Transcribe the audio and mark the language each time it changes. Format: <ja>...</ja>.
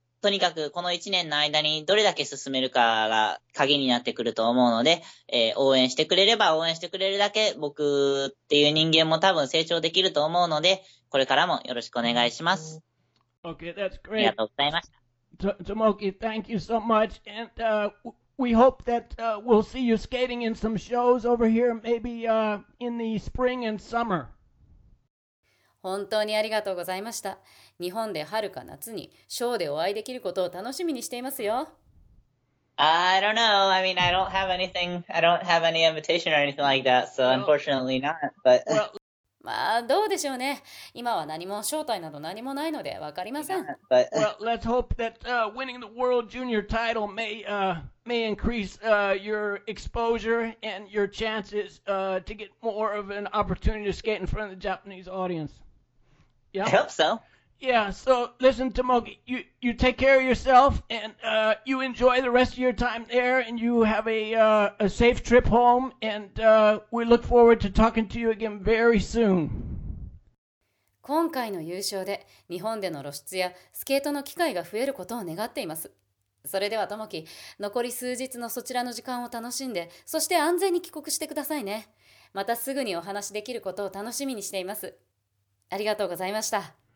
<ja>とにかくこの1年の間にどれだけ進めるかが鍵になってくると思うので、応援してくれれば応援してくれるだけ僕っていう人間も多分成長できると思うので、これからもよろしくお願いします。</ja> <en>Okay, that's great.</en> <ja>ありがとうございました。</ja> <en>Tomoki, thank you so much. And, we hope that, we'll see you skating in some shows over here, maybe, in the spring and summer.</en> <ja>本当にありがとうございました。日本で春か夏にショーでお会いできることを楽しみにしていますよ。</ja> <en>I don't know. I mean, I don't have any invitation or anything like that, so unfortunately not. But...</en> <ja>まあどうでしょうね。今は何も招待など何もないので分かりません。</ja> <en>Well, let's hope that, winning the world junior title may, may increase, your exposure and your chances, to get more of an opportunity to skate in front of the Japanese audience. Yeah. I hope so. Yeah, so listen, Tomoki, you take care of yourself and, you enjoy the rest of your time there and you have a safe trip home and, we look forward to talking to you again very soon.</en> <ja>今回の優勝で日本での露出やスケートの機会が増えることを願っています。それでは、Tomoki、残り数日のそちらの時間を楽しんで、そして安全に帰国してくださいね。またすぐにお話しできることを楽しみにしています。ありがとうございました。</ja>